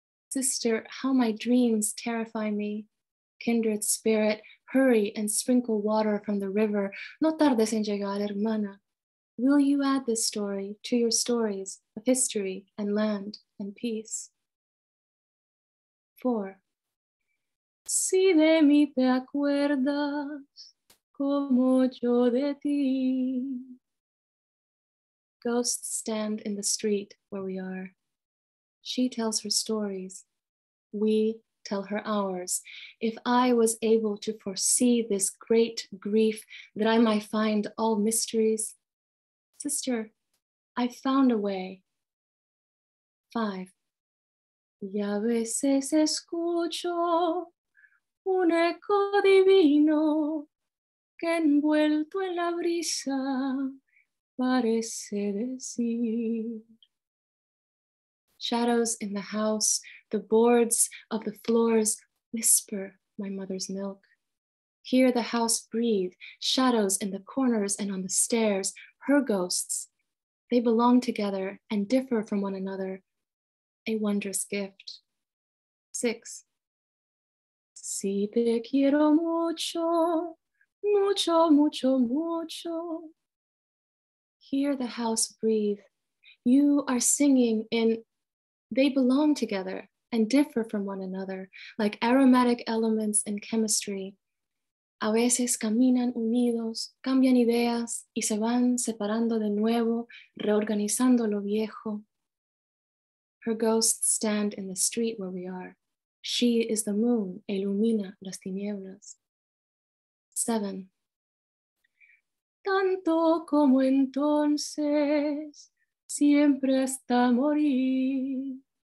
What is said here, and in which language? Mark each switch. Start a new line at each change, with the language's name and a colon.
English: Sister, how my dreams terrify me. Kindred spirit, hurry and sprinkle water from the river.
Spanish: No tardes en llegar, hermana.
English: Will you add this story to your stories of history and land and peace? 4.
Spanish: Si de mí te acuerdas, como yo de ti.
English: Ghosts stand in the street where we are. She tells her stories. We tell her ours. If I was able to foresee this great grief, that I might find all mysteries. Sister, I found a way. 5.
Spanish: Y a veces escucho un eco divino que envuelto en la brisa parece decir.
English: Shadows in the house, the boards of the floors whisper my mother's milk. Hear the house breathe, shadows in the corners and on the stairs, her ghosts. They belong together and differ from one another. A wondrous gift.
Spanish: 6. Si te quiero mucho, mucho, mucho, mucho.
English: Hear the house breathe. You are singing in, they belong together and differ from one another, like aromatic elements in chemistry.
Spanish: A veces caminan unidos, cambian ideas, y se van separando de nuevo, reorganizando lo viejo.
English: Her ghosts stand in the street where we are. She is the moon,
Spanish: ilumina las tinieblas.
English: 7.
Spanish: Tanto como entonces, siempre hasta morir.